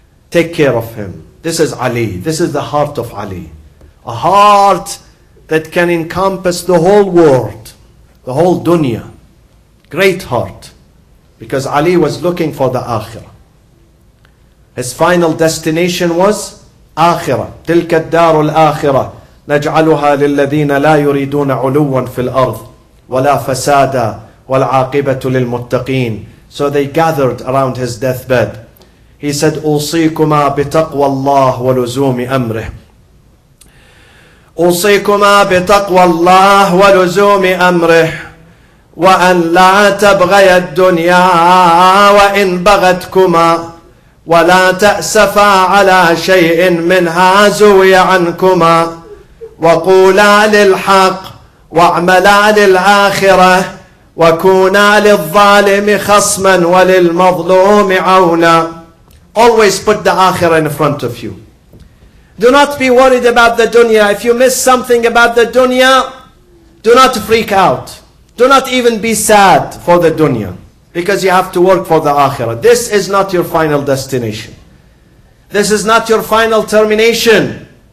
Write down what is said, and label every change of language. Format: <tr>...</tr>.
<en>Take care of him. This is Ali. This is the heart of Ali. A heart that can encompass the whole world, the whole dunya. Great heart. Because Ali was looking for the akhirah. His final destination was</en> <ar>آخرة تلك الدار الآخرة نجعلها للذين لا يريدون علوا في الأرض ولا فسادا والعاقبة للمتقين.</ar> <en>So they gathered around his deathbed. He said,</en> <ar>أوصيكما بتقوى الله ولزوم أمره. أوصيكما بتقوى الله ولزوم أمره وأن لا تبغي الدنيا وإن بغتكما ولا تأسفا على شيء منها زوي عنكما وقولا للحق واعملا للآخرة وكونا للظالم خصما وللمظلوم عونا.</ar> <en>Always put the akhirah in front of you. Do not be worried about the dunya. If you miss something about the dunya, do not freak out. Do not even be sad for the dunya, because you have to work for the akhirah. This is not your final destination. This is not your final termination.</en>